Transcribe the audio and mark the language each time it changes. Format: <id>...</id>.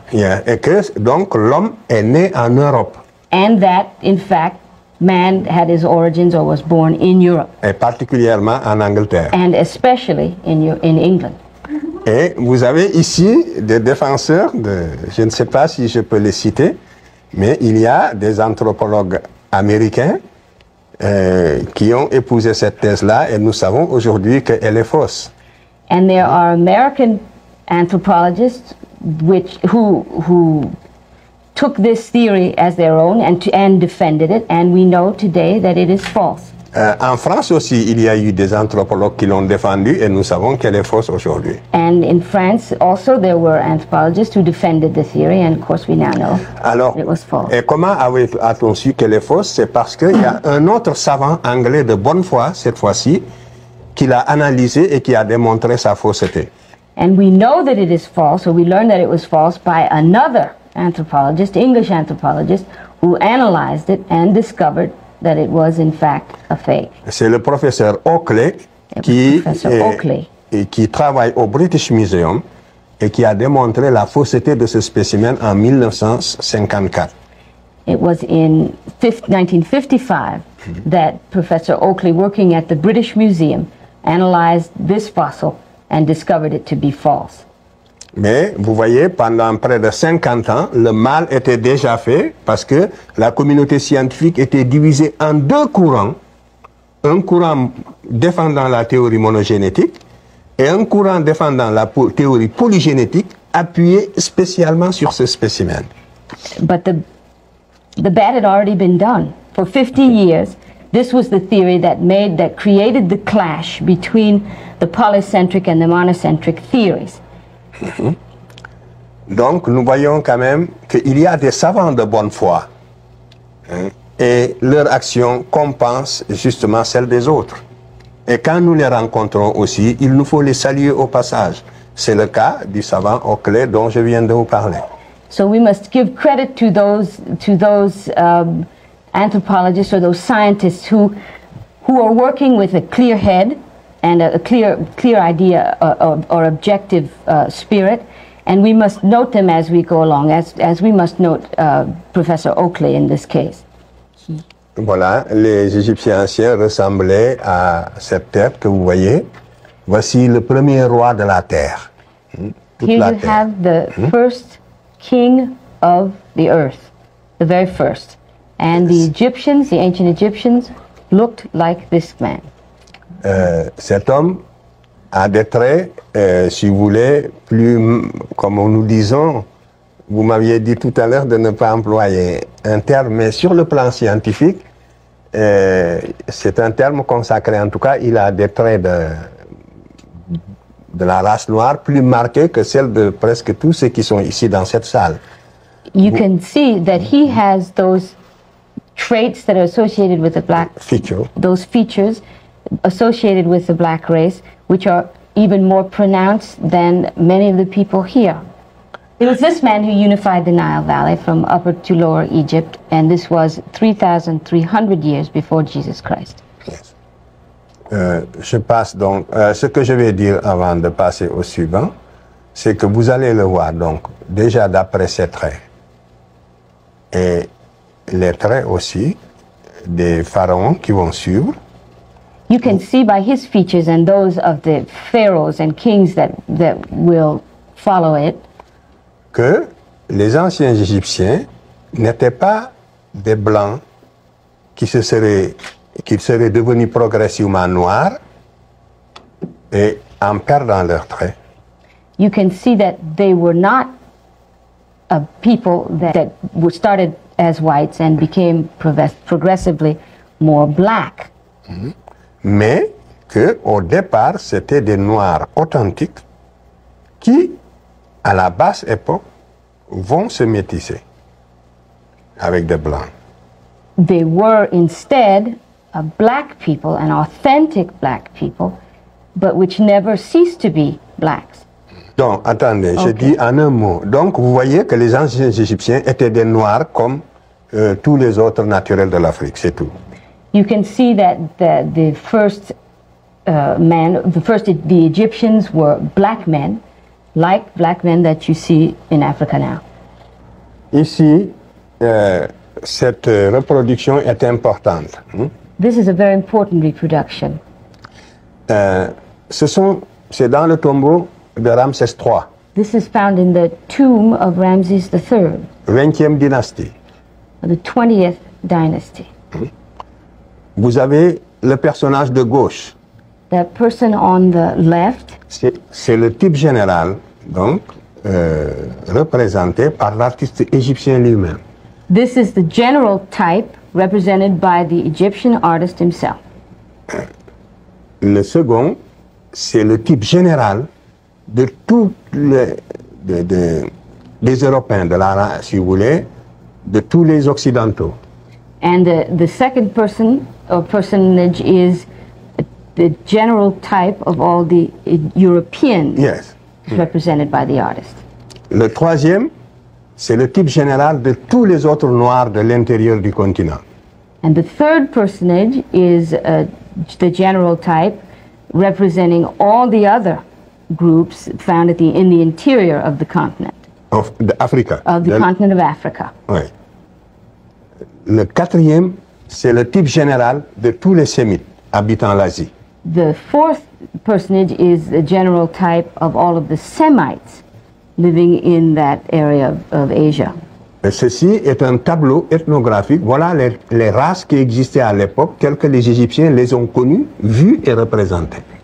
<fr>Yeah, et que donc l'homme est né en Europe.</fr> <en>And that, in fact, man had his origins or was born in Europe.</en> <fr>Et particulièrement en Angleterre.</fr> <en>And especially in England.</en> <fr>Et vous avez ici des défenseurs, je ne sais pas si je peux les citer, mais il y a des anthropologues américains qui ont épousé cette thèse-là et nous savons aujourd'hui qu'elle est fausse.</fr> <en>And there are American anthropologists who took this theory as their own and defended it, and we know today that it is false.</en> <fr>En France aussi, il y a eu des anthropologues qui l'ont défendu et nous savons qu'elle est fausse aujourd'hui.</fr> <en>And in France also there were anthropologists who defended the theory, and of course we now know</en> <fr>alors,</fr> <en>it was false.</en> <fr>Et comment a-t-on su qu'elle est fausse? C'est parce qu'il y a un autre savant anglais de bonne foi, cette fois-ci, qui l'a analysé et qui a démontré sa fausseté.</fr> <en>And we know that it is false, or we learned that it was false by another anthropologist, English anthropologist, who analyzed it and discovered that it was in fact a fake.</en> <fr>C'est le professeur Oakley qui travaille au British Museum et qui a démontré la fausseté de ce spécimen en 1954.</fr> <en>It was in 1955 that Professor Oakley, working at the British Museum, analyzed this fossil and discovered it to be false.</en> <fr>Mais vous voyez, pendant près de 50 ans, le mal était déjà fait parce que la communauté scientifique était divisée en deux courants. Un courant défendant la théorie monogénétique et un courant défendant la théorie polygénétique appuyé spécialement sur ce spécimen.</fr> <en>But the bad had already been done. For 50 years, this was the theory that created the clash between the polycentric and the monocentric theories.</en> <fr>Donc, nous voyons quand même qu'il y a des savants de bonne foi, et leur action compense justement celle des autres. Et quand nous les rencontrons aussi, il nous faut les saluer au passage. C'est le cas du savant Oakley dont je viens de vous parler.</fr> <en>So we must give credit to those anthropologists or those scientists who are working with a clear head and a clear idea or objective spirit, and we must note them as we go along, as we must note Professor Oakley in this case.</en> <fr>Voilà, les Égyptiens anciens ressemblaient à cette tête que vous voyez. Voici le premier roi de la terre.</fr> <en>Here you have the first king of the earth, the very first, and the Egyptians, the ancient Egyptians, looked like this man.</en> <fr>Cet homme a des traits, si vous voulez, plus, comme nous disons, Vous m'aviez dit tout à l'heure de ne pas employer un terme, mais sur le plan scientifique, c'est un terme consacré, en tout cas, il a des traits de la race noire plus marqués que celle de presque tous ceux qui sont ici dans cette salle.</fr> <en>You can see that he has those traits that are associated with the black feature. Those features associated with the black race, which are even more pronounced than many of the people here. It was this man who unified the Nile Valley from Upper to Lower Egypt, and this was 3,300 years before Jesus Christ. Yes.</en> <fr>Je passe donc. Ce que je vais dire avant de passer au suivant, c'est que vous allez le voir donc déjà d'après ses traits. Et les traits aussi des pharaons qui vont suivre.</fr> <en>You can see by his features and those of the pharaohs and kings that will follow it.</en> <fr>Que les anciens Égyptiens n'étaient pas des blancs qui seraient devenus progressivement noirs et en perdant leurs traits.</fr> <en>You can see that they were not a people that started as whites and became progressively more black.</en> <fr>Mais que au départ c'était des noirs authentiques qui à la basse époque vont se métisser avec des blancs.</fr> <en>They were instead a black people, an authentic black people, but which never ceased to be blacks.</en> <fr>Donc, attendez, okay. Je dis en un mot. Donc, vous voyez que les anciens Égyptiens étaient des Noirs comme tous les autres naturels de l'Afrique, c'est tout.</fr> <en>You can see that the first men, the Egyptians were black men, like black men that you see in Africa now.</en> <fr>Ici, cette reproduction est importante. Hein?</fr> <en>This is a very important reproduction.</en> <fr>C'est dans le tombeau de Ramsès III.</fr> <en>This is found in the tomb of Ramses III.</en> <fr>20e dynastie.</fr> <en>The 20th dynasty.</en> <fr>Vous avez le personnage de gauche.</fr> <en>That person on the left.</en> <fr>C'est le type général, donc, représenté par l'artiste égyptien lui-même.</fr> <en>This is the general type represented by the Egyptian artist himself.</en> <fr>Le second, c'est le type général de tous les Européens, de la race, si vous voulez, de tous les Occidentaux.</fr> <en>And the second person or personage is the general type of all the Europeans. Yes. Represented by the artist.</en> <fr>Le troisième, c'est le type général de tous les autres Noirs de l'intérieur du continent.</fr> <en>And the third personage is the general type representing all the other groups found at in the interior of the continent. Of the Africa. Of the continent of Africa.</en> <fr>Oui. Le quatrième, c'est le type général de tous les Sémites habitant l'Asie.</fr> <en>The fourth personage is the general type of all of the Semites living in that area of Asia.</en> <fr>Ceci est un tableau ethnographique. Voilà les races qui existaient à l'époque, telles que les Égyptiens les ont connues, vues et représentées.</fr>